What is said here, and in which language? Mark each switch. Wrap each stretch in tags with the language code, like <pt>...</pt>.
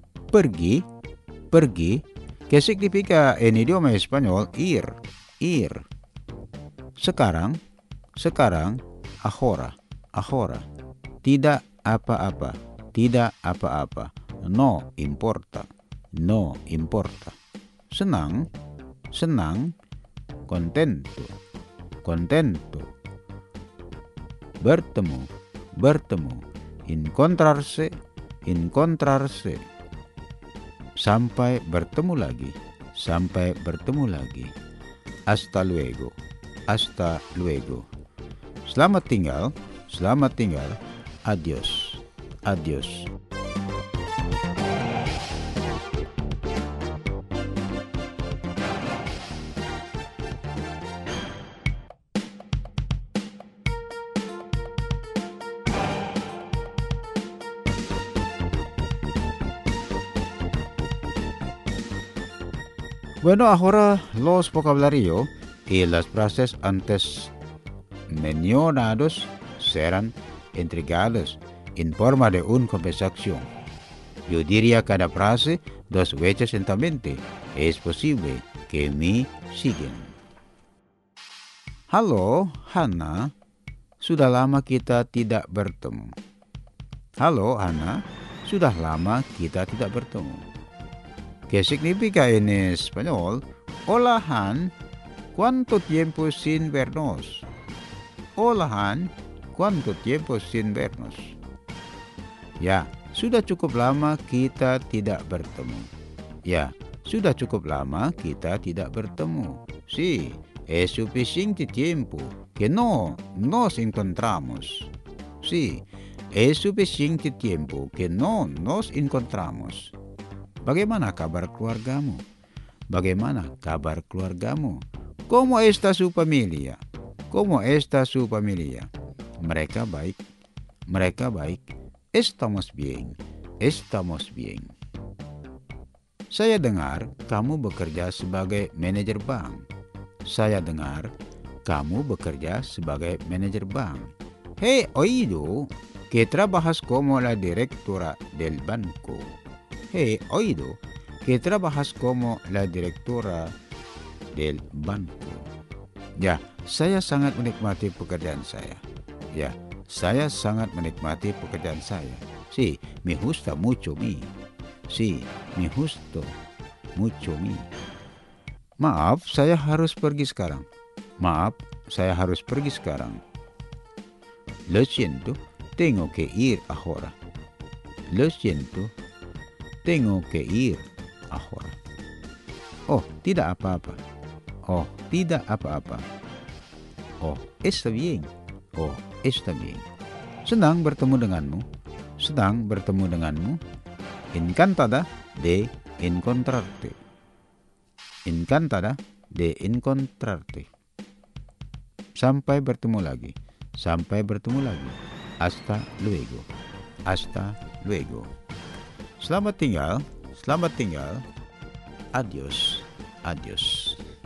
<id>Pergi, pergi,</id> <es>¿qué significa en idioma español ir, ir?</es> <id>Sekarang, sekarang,</id> <es>ahora, ahora,</es> <id>tidak apa-apa, tidak apa-apa.</id> <es>No importa, no importa.</es> <id>Senang, senang.</id> <es>Contento, contento.</es> <id>Bertemu, bertemu.</id> <es>Encontrarse, encontrarse.</es> <id>Sampai bertemu lagi, sampai bertemu lagi.</id> <es>Hasta luego, hasta luego.</es> <id>Selamat tinggal,</id> <es>adios, adios. Bueno, ahora los vocabularios y las frases antes mencionados serán entregados en forma de una conversación. Yo diría cada frase dos veces lentamente. Es posible que me sigan. Hello, Hannah.</es> <id>Sudah lama kita tidak bertemu. Halo, Ana. Sudah lama kita tidak bertemu.</id> <es>¿Qué significa en español? Hola, Han. ¿Cuánto tiempo sin vernos? Hola, Han. ¿Cuánto tiempo sin vernos?</es> <id>Ya, sudah cukup lama kita tidak bertemu. Ya, sudah cukup lama kita tidak bertemu.</id> <es>Sí, es suficiente tiempo que no nos encontramos. Sí, es suficiente tiempo que no nos encontramos.</es> <id>Bagaimana kabar keluargamu? Bagaimana kabar keluargamu?</id> <es>¿Cómo está su familia? ¿Cómo está su familia?</es> <id>Mereka baik. Mereka baik.</id> <es>Estamos bien. Estamos bien.</es> <id>Saya dengar kamu bekerja sebagai manajer bank. Saya dengar kamu bekerja sebagai manajer bank.</id> <es>He oído que trabajas como la directora del banco. He oído que trabajas como la directora del banco.</es> <id>Ya, saya sangat menikmati pekerjaan saya. Ya, saya sangat menikmati pekerjaan saya.</id> <es>Sí, me gusta mucho mi. Sí, me gusta mucho mi.</es> <id>Maaf, saya harus pergi sekarang. Maaf, saya harus pergi sekarang.</id> <es>Lo siento, tengo que ir ahora. Lo siento, tengo que ir ahora.</es> <id>Oh, tidak apa-apa. Oh, tidak apa-apa.</id> <es>Oh, está bien. Oh, está bien.</es> <id>Senang bertemu denganmu. Senang bertemu denganmu.</id> <es>Encantada de encontrarte. Encantada de encontrarte.</es> <id>Sampai bertemu lagi. Sampai bertemu lagi.</id> <es>Hasta luego. Hasta luego.</es> <id>Selamat tinggal. Selamat tinggal.</id> <es>Adios. Adios.</es>